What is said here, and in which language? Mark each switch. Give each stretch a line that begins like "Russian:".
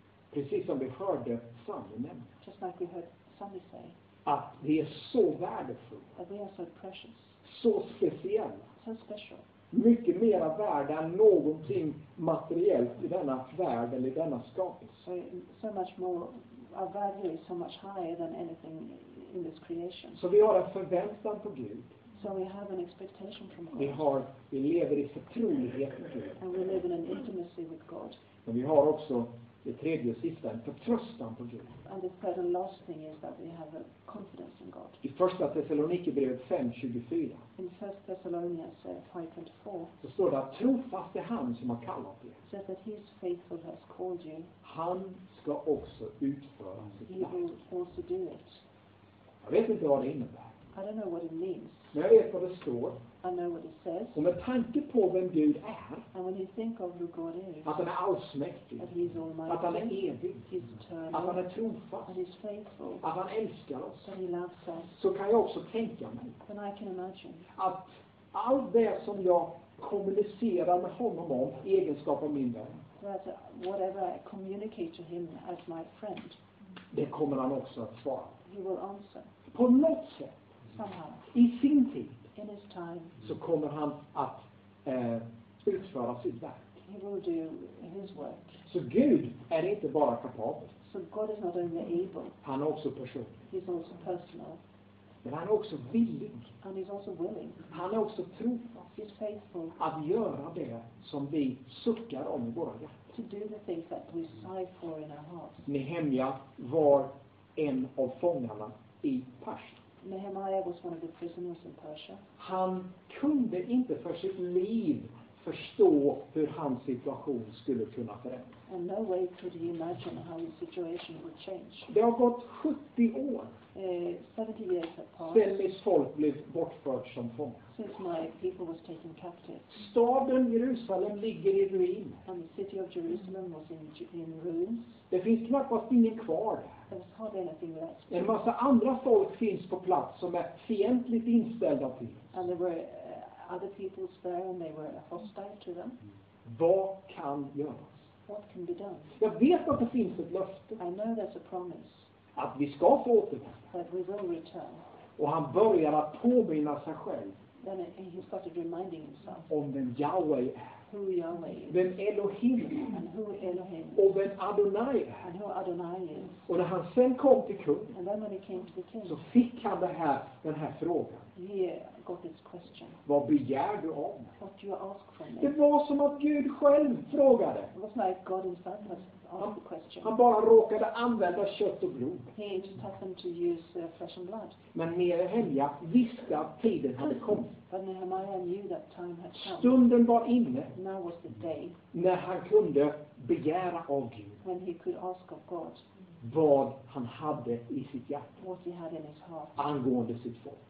Swedish: Precis som vi hörde Sami nämna.
English: Just like we heard Sami say.
Swedish: Att vi är så värdefulla.
English: That we are so precious.
Swedish: Så speciella.
English: So special.
Swedish: Mycket mer värda än någonting materiellt i denna värld eller i denna skapelse.
English: So much more. Our value is so much higher than anything in this creation.
Swedish: Så vi har en förväntan på Gud.
English: So we have an expectation from God.
Swedish: Vi lever i förtrolighet med Gud.
English: And we live in an intimacy with God.
Swedish: Men vi har också det tredje och sista, en förtröstan på Gud.
English: And the third and last thing is that we have a confidence in God.
Swedish: I första Thessalonikerbrevet 5:24.
English: In 1 Thessalonians 5:24.
Swedish: Så står det att trofast är han som har kallat er.
English: Says that he is faithful has called you.
Swedish: Han ska också utföra sitt verk.
English: He will also do it.
Swedish: Jag vet inte vad det innebär.
English: I don't know what it means.
Swedish: Men jag vet vad det står.
English: I know what it says.
Swedish: Och med tanke på vem Gud är.
English: And when you think of who God is.
Swedish: Att han är allsmäktig.
English: That he's almighty.
Swedish: Att han är evig.
English: He's eternal.
Swedish: Att han är trofast.
English: And he's faithful.
Swedish: Att han älskar oss.
English: That he loves us.
Swedish: Så kan jag också tänka mig.
English: And I can imagine.
Swedish: Att allt det som jag kommunicerar med honom om egenskap av min vän.
English: That whatever I communicate to him as my friend.
Swedish: Det kommer han också att svara.
English: He will answer.
Swedish: På något sätt.
English: Somehow.
Swedish: I sin tid.
English: In his time,
Swedish: så kommer han att utföra sitt verk.
English: He will do his work.
Swedish: Så Gud är inte bara kapabel.
English: So God is not only able.
Swedish: Han är också person.
English: He's also personal.
Swedish: Men han är också villig.
English: And he's also willing.
Swedish: Han är också trofast.
English: He's faithful.
Swedish: Att göra det som vi suckar om i våra hjärtan.
English: To do the things that we sigh for in our hearts.
Swedish: Nehemja var en av fångarna i Persien.
English: Nehemiah was one of the prisoners in Persia.
Swedish: Han kunde inte för sitt liv förstå hur hans situation skulle kunna förändras.
English: And no way could he imagine how his situation would change.
Swedish: Det har gått 70 år.
English: 70 years have passed.
Swedish: Sedan mitt folk blev bortfört som fångar.
English: Since my people was taken captive.
Swedish: Staden Jerusalem ligger i ruin.
English: And the city of Jerusalem was in ruins.
Swedish: Det finns knappast ingen kvar där. En massa andra folk finns på plats som är fientligt inställda till.
English: And there were other peoples there and they were hostile to them.
Swedish: Vad kan göras?
English: What can be done?
Swedish: Jag vet att det finns ett löfte.
English: I know there's a promise.
Swedish: Att vi ska få återvända.
English: That we will return.
Swedish: Och han börjar att påminna sig själv.
English: Then he started reminding himself.
Swedish: Om vem Yahweh är.
English: Who Yahweh is.
Swedish: Vem Elohim är.
English: And who Elohim is.
Swedish: Och vem Adonai är.
English: And who Adonai is.
Swedish: Och när han sen kom till kung.
English: And then when he came to the king.
Swedish: Så fick han den här frågan.
English: He got this question.
Swedish: Vad begär du av mig?
English: What do you ask from me?
Swedish: Det var som att Gud själv frågade.
English: It was like God himself has asked the question.
Swedish: Han bara råkade använda kött och blod.
English: He just happened to use flesh and blood.
Swedish: Men Nehemja visste att tiden hade kommit.
English: But Nehemiah knew that time had come.
Swedish: Stunden var inne.
English: Now was the day.
Swedish: När han kunde begära av Gud.
English: When he could ask of God.
Swedish: Vad han hade i sitt hjärta.
English: What he had in his heart.
Swedish: Angående sitt folk.